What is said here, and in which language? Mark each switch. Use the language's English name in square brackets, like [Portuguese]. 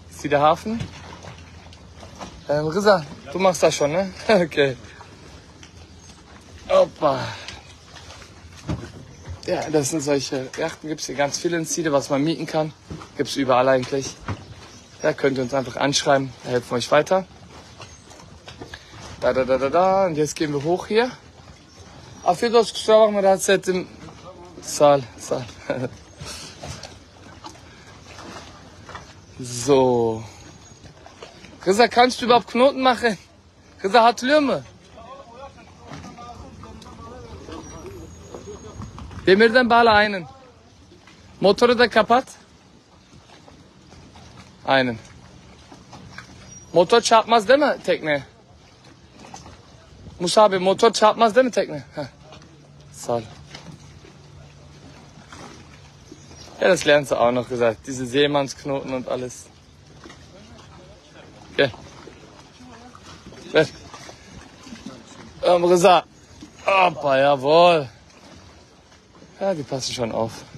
[German] Der Hafen. Rıza, du machst das schon, ne? Okay. Hoppa. Ja, das sind solche Yachten. Gibt es hier ganz viele in Side, was man mieten kann. Gibt es überall eigentlich. Ja, könnt ihr uns einfach anschreiben. Da helfen wir euch weiter. Da, da, da, da, da. Und jetzt gehen wir hoch hier. [Turkish] Afiyet olsun, kusura bakma, rahatsız ettim. Sağ ol, sağ ol. [German] So. Rıza, kannst du überhaupt Knoten machen? [Turkish] Rıza, hatırlıyor mu? Demirden bağla aynen. Motoru da kapat. Aynen. Motor çarpmaz değil mi tekne? Musa abi, motor çarpmaz değil mi tekne? Sağ ol. [German] Ja, das lernst du auch noch gesagt. Diese Seemannsknoten und alles. Ja. Rıza. Hoppa, jawohl. Ja, die passen schon auf.